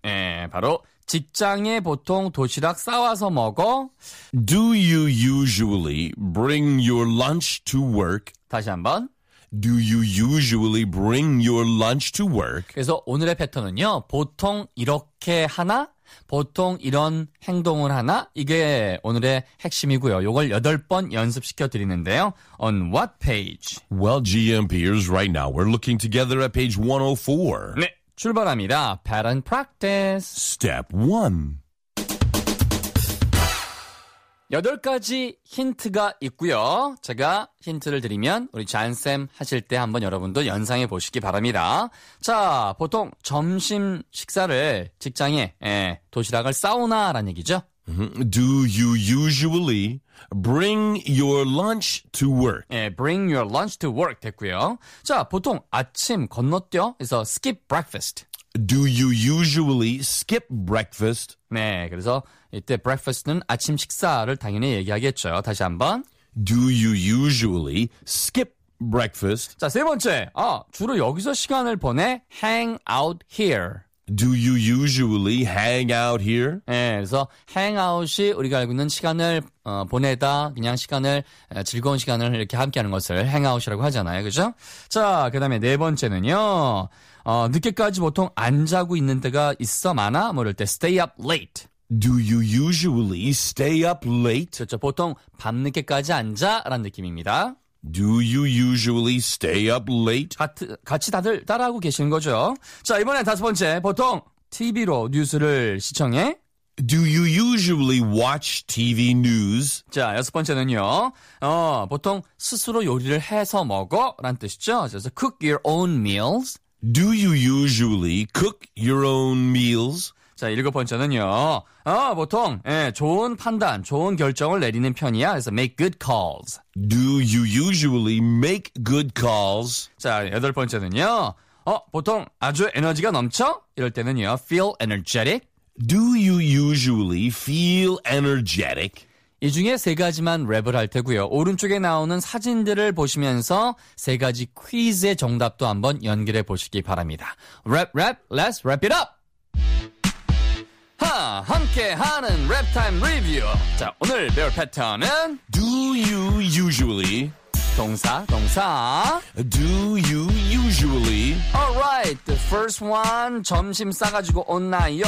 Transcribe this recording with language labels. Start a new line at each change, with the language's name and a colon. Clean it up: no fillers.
Korean: 예, 바로 직장에 보통 도시락 싸와서 먹어.
English: Do you usually bring your lunch to work?
Korean: 다시 한번.
English: Do you usually bring your lunch to work?
Korean: 그래서 오늘의 패턴은요. 보통 이렇게 하나? 보통 이런 행동을 하나? 이게 오늘의 핵심이고요. 이걸 8번 연습시켜드리는데요.
English: On what page? Well, GMPers, right now we're looking together at page 104.
Korean: 네, 출발합니다.
English: Pattern practice. Step 1.
Korean: 8가지 힌트가 있고요. 제가 힌트를 드리면 우리 잔쌤 하실 때 한번 여러분도 연상해 보시기 바랍니다. 자, 보통 점심 식사를 직장에 도시락을 싸오나라는 얘기죠.
English: Do you usually bring your lunch to work?
Korean: 예,
English: bring your lunch to work
Korean: 됐고요. 자, 보통 아침 건너뛰어 해서
English: skip breakfast. Do you usually skip breakfast?
Korean: 네, 그래서 이때 breakfast는 아침 식사를 당연히 얘기하겠죠. 다시 한번.
English: Do you usually skip breakfast?
Korean: 자, 세 번째. 주로 여기서 시간을 보내
English: hang out here. Do you usually hang out here?
Korean: 네, 그래서
English: hang out
Korean: 이 우리가 알고 있는 시간을 보내다, 그냥 시간을, 즐거운 시간을 이렇게 함께하는 것을 hang out이라고 하잖아요. 그죠? 자, 그 다음에 네 번째는요. 늦게까지 보통 안 자고 있는 데가 있어 많아? 뭐 이럴 때
English: stay up late. Do you usually stay up late?
Korean: 그렇죠. 보통 밤늦게까지 안 자라는 느낌입니다.
English: Do you usually stay up late?
Korean: 같이 다들 따라하고 계시는 거죠. 자, 이번엔 다섯 번째. 보통 TV로 뉴스를 시청해?
English: Do you usually watch TV news?
Korean: 자, 여섯 번째는요. 보통 스스로 요리를 해서 먹어? 라는 뜻이죠. 그래서
English: cook your own meals. Do you usually cook your own meals?
Korean: 자, 일곱 번째는요. 보통 좋은 판단, 좋은 결정을 내리는 편이야. 그래서
English: make good calls. Do you usually make good calls?
Korean: 자, 여덟 번째는요. 보통 아주 에너지가 넘쳐? 이럴 때는요.
English: feel energetic. Do you usually feel energetic?
Korean: 이 중에 세 가지만 랩을 할 테고요. 오른쪽에 나오는 사진들을 보시면서 세 가지 퀴즈의 정답도 한번 연결해 보시기 바랍니다. 랩, 랩,
English: let's wrap it up!
Korean: 함께하는 랩타임 리뷰! 자, 오늘 배울 패턴은
English: Do you usually
Korean: 동사, 동사
English: Do you usually Alright, the first one
Korean: 점심 싸가지고 온나요?